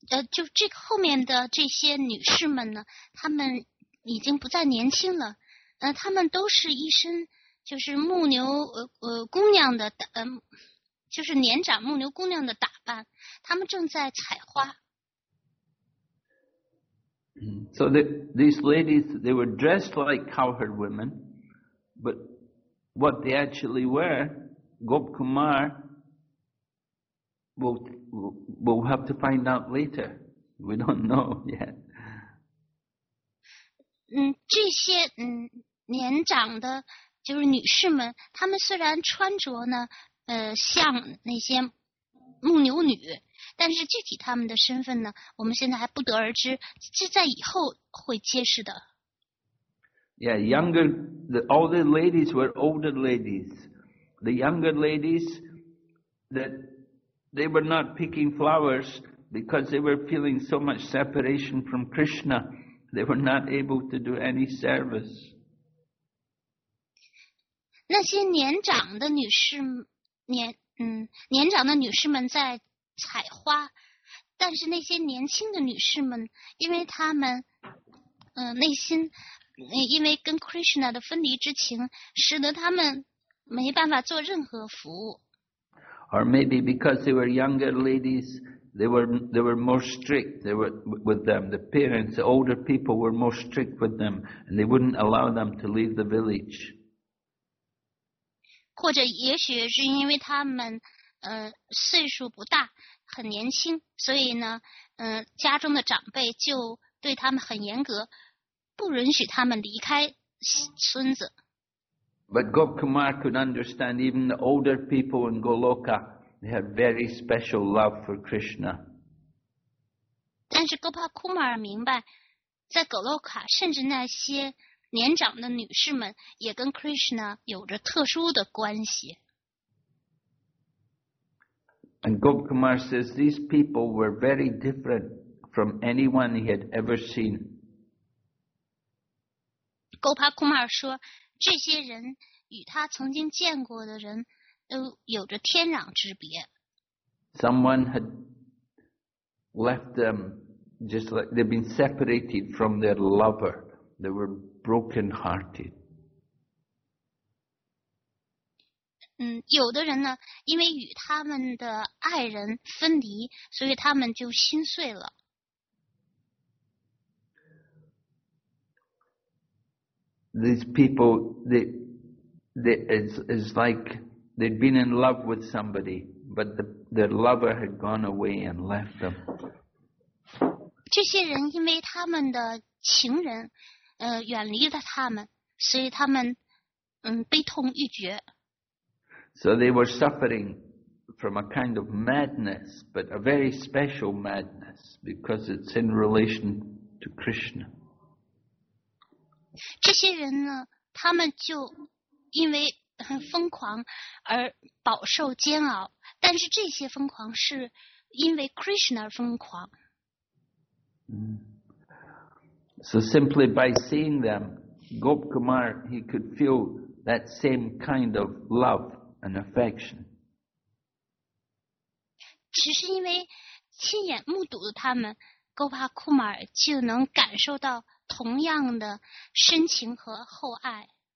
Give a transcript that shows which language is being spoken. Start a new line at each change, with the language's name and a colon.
Chinese: 就这个后面的这些女士们呢，她们已经不再年轻了。她们都是一身就是牧牛姑娘的就是年长牧牛姑娘的打扮，她们正在采花。
English: So these ladies, they were dressed like cowherd women, but what they actually were, Gop Kumar will have to find out later. We don't know yet.
Chinese: 这些年长的，就是女士们，她们虽然穿着呢。像那些牧牛女，但是具体他们的身份呢，我们现在还不得而知，这在以后会揭示的。
English: Yeah, younger, all the ladies were older ladies. The younger ladies, that they were not picking flowers because they were feeling so much separation from Krishna, they were not able to do any service.
Chinese: 那些年长的女士。年长的女士们在采花，但是那些年轻的女士们，因为她们，内心，因为跟 Krishna 的分离之情，使得她们没办法做任何服务。
English: Or maybe because they were younger ladies, they were more strict with them. The parents, the older people were more strict with them, and they wouldn't allow them to leave the village.
Chinese: 或者也许是因为他们岁数不大，很年轻，所以呢，家中的长辈就对他们很严格，不允许他们离开村子。
English: But Gopkumar could understand even the older people in Goloka, they had very special love for Krishna.
Chinese: 但是 Gopkumar 明白，在 Goloka 甚至那些年长的女士们也跟 Krishna 有着特殊的关系。
English: And Gopkumar says these people were very different from anyone he had ever seen.
Chinese: Gopkumar 说这些人与他曾经见过的人都有着天壤之别。
English: Someone had left them just like they've been separated from their lover. They were broken-hearted.
Chinese: 有的人呢，因为与他们的爱人分离，所以他们就心碎了。
English: These people, it's like they'd been in love with somebody, but their lover had gone away and left them.
Chinese: 这些人因为他们的情人，远离了他们，所以他们，悲痛欲绝。
English: So they were suffering from a kind of madness, but a very special madness because it's in relation to Krishna.
Chinese: 这些人呢，他们就因为很疯狂而饱受煎熬，但是这些疯狂是因为 Krishna 而疯狂。
English: So simply by seeing them, Gopkumar, he could feel that same kind of love and affection.
Chinese: 只是因为亲眼目睹了他们， Gopkumar 就能感受到同样的深情和厚爱。